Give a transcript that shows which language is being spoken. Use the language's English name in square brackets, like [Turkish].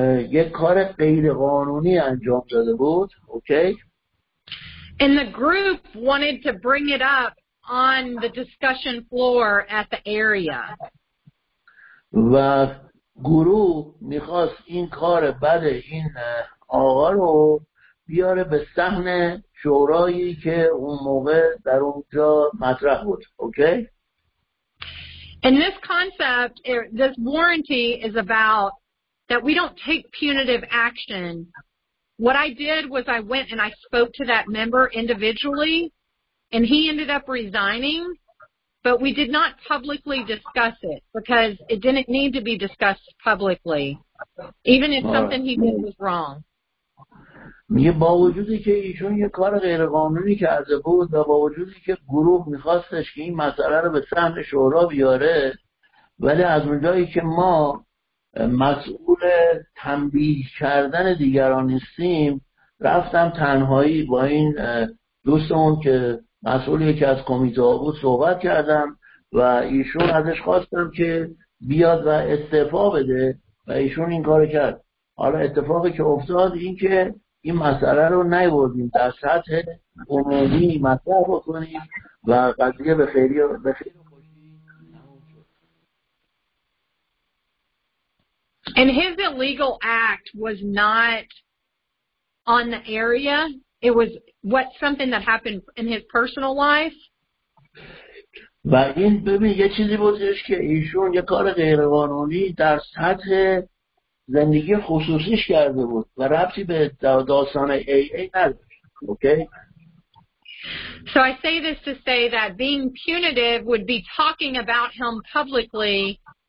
[Persian] یک کار غیر قانونی انجام داده بود. [English] Okay. And the group wanted to bring it up on the discussion floor at the area. [Persian] و گروه میخواست این کار بد این آقا رو بیاره به صحن شورایی که اون موقع در اونجا مطرح بود. [English] Okay. And this concept, this warranty is about that we don't take punitive action. What I did was I went and I spoke to that member individually, and he ended up resigning, but we did not publicly discuss it because it didn't need to be discussed publicly, even if something he did was wrong. [Persian] میگه با وجودی که ایشون یه کار غیرقانونی کرده بود و با وجودی که گروه میخواستش که این مسئله رو به صحن شورا بیاره، ولی از اونجایی که ما مسئول تنبیه کردن دیگران نیستیم، رفتم تنهایی با این دوستمون که مسئول یکی از کمیته‌ها بود صحبت کردم و ایشون ازش خواستم که بیاد و استعفا بده و ایشون این کار کرد. حالا اتفاقی که افتاد این که این مسئله رو نیوردیم در سطح عمومی مطرح بکنیم و قضیه به خیلی به خیلی. [English] And his illegal act was not on the area. It was what something that happened in his personal life. [Persian] و این ببین یه چیزی بودش که ایشون یه کار غیرقانونی در سطح زندگی خصوصیش کرده بود و ربطی به داستان AA نداشت. [English] Okay. So I say this to say that being punitive would be talking about him publicly.